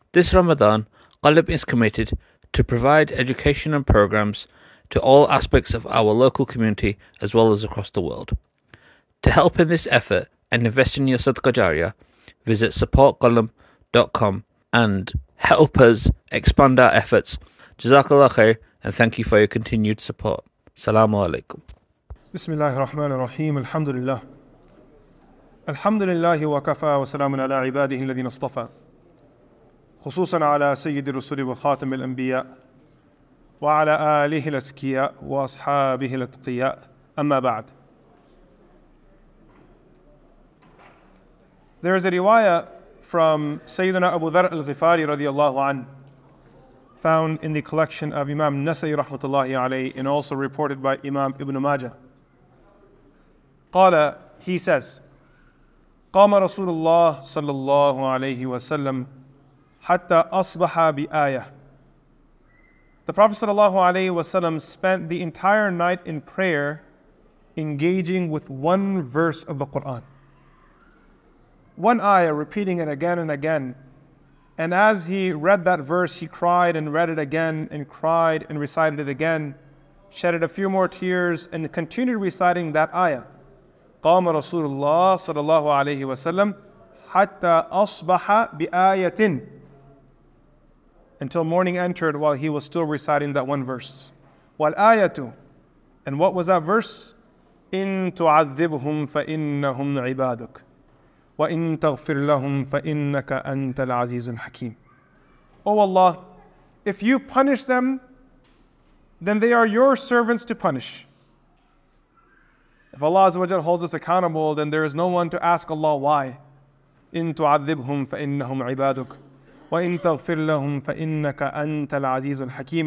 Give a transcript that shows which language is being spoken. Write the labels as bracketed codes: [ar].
[en] This Ramadan, Qalb is committed to provide education and programs to all aspects of our local community as well as across the world. To help in this effort and invest in your Sadqa Jariyah, visit supportqalb.com and help us expand our efforts. Jazakallah khair and thank you for your continued support. Assalamu alaikum. Bismillahir Rahmanir Rahim. Alhamdulillah. [ar] الحمد لله وكفى وسلام على عباده الذين اصطفى خصوصا على سيد الرسل وخاتم الأنبياء وعلى آله الأزكياء وأصحابه الأتقياء أما بعد. [en] There is a riwayah from Sayyidina Abu Dharr al-Ghifari رضي الله عنه found in the collection of Imam Nasa'i رحمة الله عليه and also reported by Imam Ibn Majah. [ar] قال, [en] he says, [ar] قام رسول الله صلى الله عليه وسلم حتى أصبح بآية. [en] The Prophet صلى الله عليه وسلم spent the entire night in prayer, engaging with one verse of the Quran. One ayah, repeating it again and again. And as he read that verse, he cried and read it again and cried and recited it again, shedded a few more tears and continued reciting that ayah. [ar] قام رسول الله صلى الله عليه وسلم حتى أصبح بآية. [en] Until morning entered while he was still reciting that one verse. والآية, and what was that verse? [ar] إن تعذبهم فإنهم عبادك وإن تغفر لهم فإنك أنت العزيز الحكيم. [en] O Allah, if you punish them, then they are your servants to punish. If Allah Azza wa Jalla holds us accountable, then there is no one to ask Allah why. [ar] إِن تُعَذِّبْهُمْ فَإِنَّهُمْ عِبَادُكَ وَإِن تَغْفِرْ لَهُمْ فَإِنَّكَ أَنْتَ الْعَزِيزُ الْحَكِيمُ.